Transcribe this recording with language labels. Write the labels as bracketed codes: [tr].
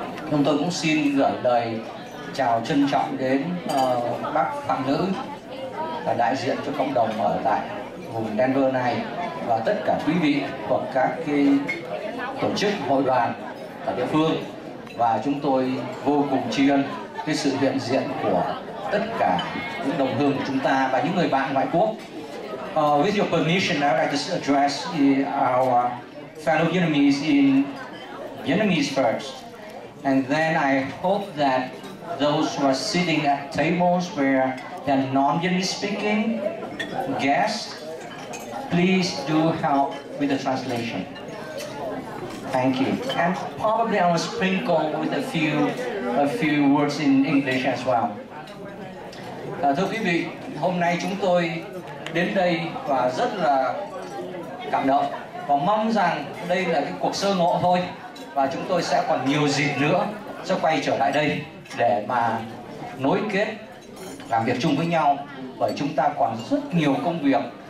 [vi] Chúng tôi cũng xin gửi lời chào trân trọng đến bác Phạm Nữ là đại diện cho cộng đồng ở tại vùng Denver này và tất cả quý vị hoặc các cái tổ chức hội đoàn ở địa phương. Và chúng tôi vô cùng tri ân cái sự hiện diện của tất cả những đồng hương của chúng ta và những người bạn ngoại quốc. [en] With your permission, I'd like to address our fellow Vietnamese in Vietnamese first. And then I hope that those who are sitting at tables where they are non-Vietnamese speaking guests, please do help with the translation. Thank you. And probably I will sprinkle with a few words in English as well. [vi] Thưa quý vị, hôm nay chúng tôi đến đây và rất là cảm động và mong rằng đây là cái cuộc sơ ngộ thôi và chúng tôi sẽ còn nhiều dịp nữa sẽ quay trở lại đây để mà nối kết làm việc chung với nhau, bởi chúng ta còn rất nhiều công việc.